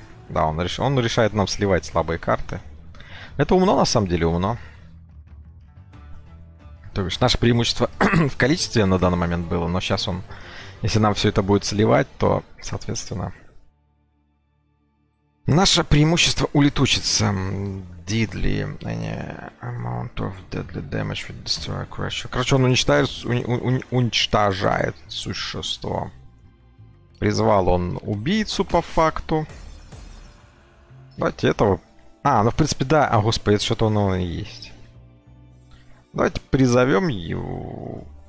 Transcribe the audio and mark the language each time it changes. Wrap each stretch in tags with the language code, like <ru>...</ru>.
<ru>Да, он решает нам сливать слабые карты. Это умно, на самом деле, умно. То есть, наше преимущество в количестве на данный момент было, но сейчас он... Если нам все это будет сливать, то, соответственно... Наше преимущество улетучится.</ru> <en>Deadly amount of deadly damage with destroy creature.</en> <ru>Короче, он уничтожает существо. Призвал он убийцу по факту. Давайте этого... А, ну в принципе да. А, господи, это что-то оно и есть. Давайте призовем его.</ru>